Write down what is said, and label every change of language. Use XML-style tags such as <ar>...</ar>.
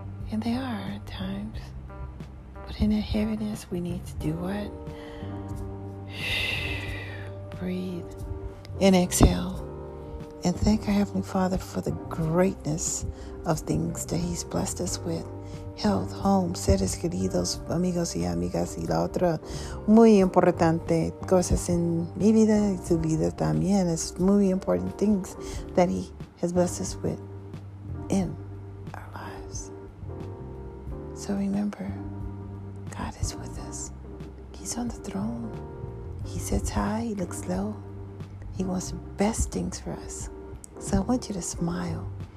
<en>And they are at times. But in the heaviness, we need to do what? Breathe. And exhale and thank our Heavenly Father for the greatness of things that He's blessed us with. Health, home,</en> <es>seres queridos, amigos y amigas y la otra. Muy importante cosas en mi vida y su vida también.</es> <en>It's muy important things that He has blessed us with in our lives. So remember, God is with us He's on the throne. He sits high. He looks low. He wants the best things for us. So I want you to smile.</en>